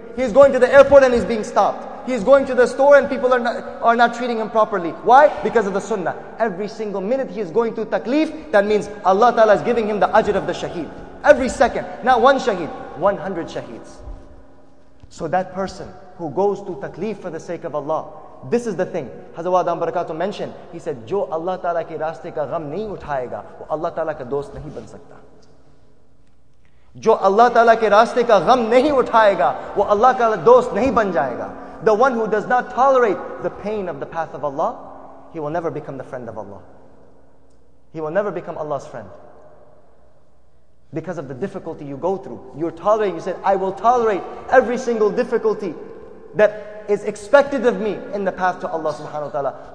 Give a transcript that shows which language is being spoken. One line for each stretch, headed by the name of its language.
English: He's going to the airport and he's being stopped. He's going to the store and people are not treating him properly. Why? Because of the sunnah. Every single minute he is going to takleef, that means Allah Ta'ala is giving him the ajr of the shaheed. Every second, not one shaheed, 100 shaheeds. So that person who goes to takleef for the sake of Allah, this is the thing.
Urdu: حضرت آدم برکاتہ
English: mentioned, he said,
Urdu: جو اللہ تعالیٰ کے راستے کا غم نہیں اٹھائے گا، وہ اللہ تعالیٰ کا دوست نہیں بن سکتا۔ جو اللہ تعالیٰ کے راستے کا غم نہیں اٹھائے گا، وہ اللہ کا دوست نہیں بن جائے گا۔
English: The one who does not tolerate the pain of the path of Allah, he will never become the friend of Allah. He will never become Allah's friend. Because of the difficulty you go through, you're tolerating. You said, I will tolerate every single difficulty that is expected of me in the path to Allah subhanahu wa ta'ala.